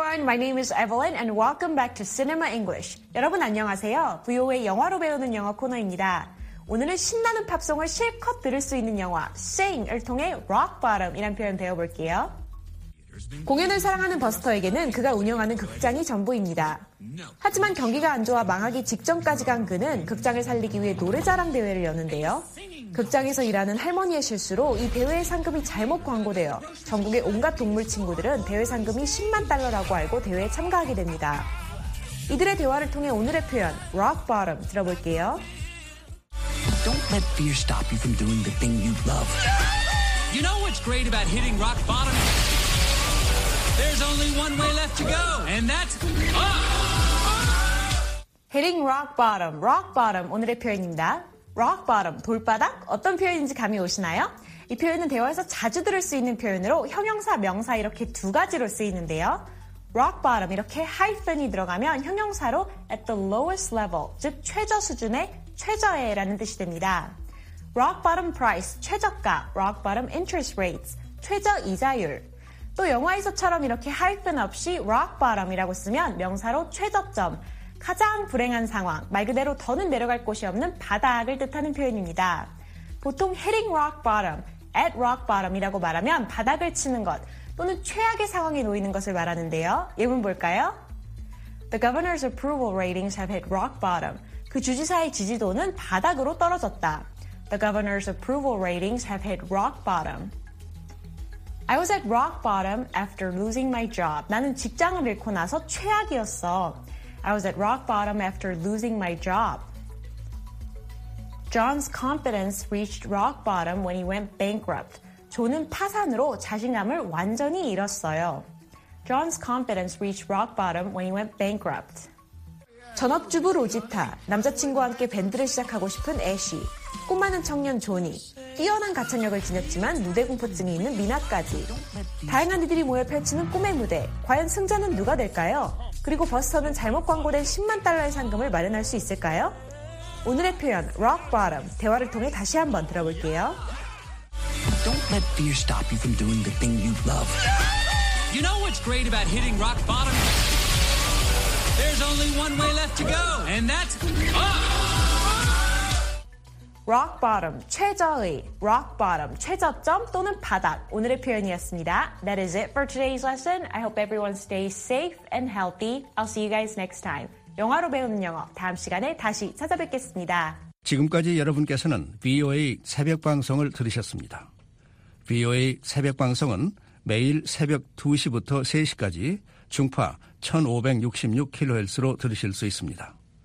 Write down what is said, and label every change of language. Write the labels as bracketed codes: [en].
[en] My name is Evelyn and welcome back to Cinema English. [ko] 여러분 안녕하세요. VOA 영화로 배우는 영어 코너입니다. 오늘은 신나는 팝송을 실컷 들을 수 있는 영화 Sing을 통해 Rock Bottom이란 표현 배워볼게요. 공연을 사랑하는 버스터에게는 그가 운영하는 극장이 전부입니다. 하지만 경기가 안 좋아 망하기 직전까지 간 그는 극장을 살리기 위해 노래자랑 대회를 여는데요. 극장에서 일하는 할머니의 실수로 이 대회의 상금이 잘못 광고되어 전국의 온갖 동물 친구들은 대회 상금이 10만 달러라고 알고 대회에 참가하게 됩니다. 이들의 대화를 통해 오늘의 표현 Rock Bottom 들어볼게요. [en] Don't let fear stop you from doing the thing you love. You know what's great about hitting rock bottom? There's only one way left to go, and that's up. Hitting rock bottom, rock bottom, [ko] 오늘의 표현입니다. Rock bottom, 돌바닥, 어떤 표현인지 감이 오시나요? 이 표현은 대화에서 자주 들을 수 있는 표현으로 형용사, 명사 이렇게 두 가지로 쓰이는데요. Rock bottom, 이렇게 hyphen이 들어가면 형용사로 [en] at the lowest level, [ko] 즉 최저 수준의 최저에 라는 뜻이 됩니다. Rock bottom price, 최저가, rock bottom interest rates, 최저 이자율. 또 영화에서처럼 이렇게 하이픈 없이 rock bottom이라고 쓰면 명사로 최저점, 가장 불행한 상황, 말 그대로 더는 내려갈 곳이 없는 바닥을 뜻하는 표현입니다. 보통 hitting rock bottom, at rock bottom이라고 말하면 바닥을 치는 것 또는 최악의 상황에 놓이는 것을 말하는데요. 예문 볼까요? [en] The governor's approval ratings have hit rock bottom. [ko] 그 주지사의 지지도는 바닥으로 떨어졌다. [en] The governor's approval ratings have hit rock bottom. I was at rock bottom after losing my job. [ko] 나는 직장을 잃고 나서 최악이었어. [en] I was at rock bottom after losing my job. John's confidence reached rock bottom when he went bankrupt. [ko] 존은 파산으로 자신감을 완전히 잃었어요. [en] John's confidence reached rock bottom when he went bankrupt. [ko] 전업주부 로지타, 남자친구와 함께 밴드를 시작하고 싶은 애쉬, 꿈 많은 청년 조니, 뛰어난 가창력을 지녔지만 무대공포증이 있는 미나까지. 다양한 이들이 모여 펼치는 꿈의 무대, 과연 승자는 누가 될까요? 그리고 버스터는 잘못 광고된 10만 달러의 상금을 마련할 수 있을까요? 오늘의 표현, Rock Bottom, 대화를 통해 다시 한번 들어볼게요. [en] Don't let fear stop you from doing the thing you love. You know what's great about hitting rock bottom? There's only one way left to go, and that's up! [ko] Rock bottom, 최저의. Rock bottom, 최저점 또는 바닥. 오늘의 표현이었습니다. [en] That is it for today's lesson. I hope everyone stays safe and healthy. I'll see you guys next time. [ko] 영화로 배우는 영어, 다음 시간에 다시 찾아뵙겠습니다. 지금까지 여러분께서는 VOA 새벽 방송을 들으셨습니다. VOA 새벽 방송은 매일 새벽 2시부터 3시까지 중파 1566kHz로 들으실 수 있습니다.